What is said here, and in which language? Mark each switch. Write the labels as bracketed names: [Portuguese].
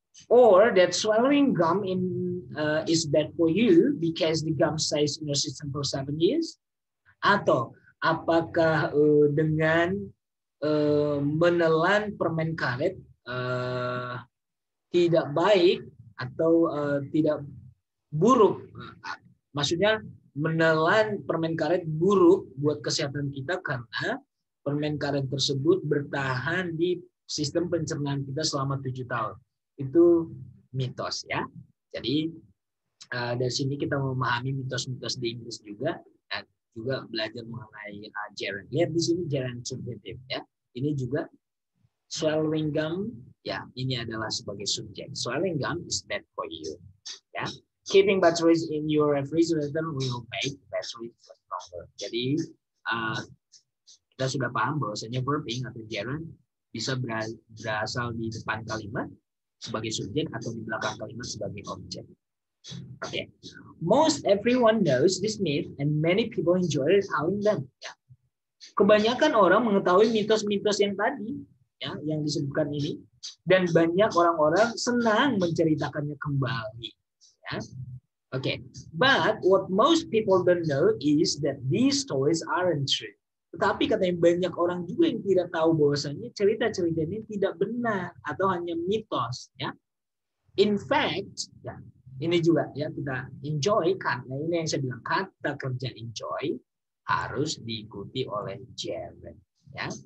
[English] Or that swallowing gum in is bad for you because the gum size in your system for 7 years. [Indonesian] Atau apakah dengan menelan permen karet tidak baik atau tidak buruk? Maksudnya menelan permen karet buruk buat kesehatan kita karena permen karet tersebut bertahan di sistem pencernaan kita selama 7 tahun. Itu mitos ya. Jadi dari sini kita memahami mitos-mitos di Inggris juga dan juga belajar mengenai gerund. Lihat di sini gerund subjektif ya. Ini juga [English] swallowing gum [Indonesian] ya, ini adalah sebagai subjek. [English] Swallowing gum is bad for you. Ya. Keeping batteries in your refrigerator will make batteries stronger. [Indonesian] Jadi kita sudah paham bahwasanya verbing atau gerund bisa berasal di depan kalimat sebagai subjek atau di belakang kalimat sebagai objek. [English] Okay. Most everyone knows this myth and many people enjoy telling them. [Indonesian] Ya. Kebanyakan orang mengetahui mitos-mitos yang tadi ya, yang disebutkan ini dan banyak orang-orang senang menceritakannya kembali. Ya. Okay. [English] But what most people don't know is that these stories aren't true. [Indonesian] Tetapi katanya banyak orang juga yang tidak tahu bahwasanya cerita-cerita ini tidak benar atau hanya mitos ya. [English] In fact, [Indonesian] ya, ini juga ya kita enjoy karena ini yang saya bilang kata kerja enjoy harus diikuti oleh gerund ya.